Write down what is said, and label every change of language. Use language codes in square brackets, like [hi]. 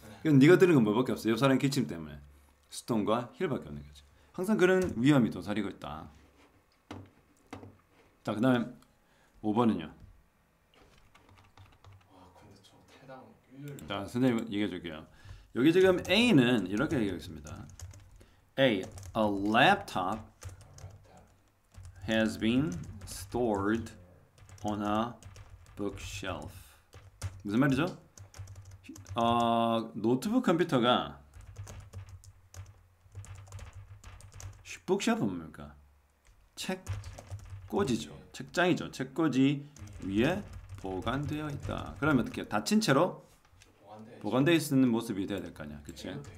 [ko] 이건 네가 들은 건 뭐밖에 없어. 옆 사람의 기침 때문에 스톤과 힐밖에 없는 거죠. 항상 그런 위험이 도사리고 있다. 자, 그 다음 5번은요. 와, 근데 저 태당 유율. 자, 선생님 얘기해 줄게요. 여기 지금 A는 이렇게 얘기했습니다. [en] A, a laptop has been stored on a bookshelf. [ko] 무슨 말이죠? 노트북 컴퓨터가 북셔프 뭡니까? 책 꽂이죠. 책장이죠. 책 꽂이 위에 보관되어 있다. 그러면 어떻게 닫힌 채로 보관되어 있는 모습이 돼야 될 거 아니야. 그치?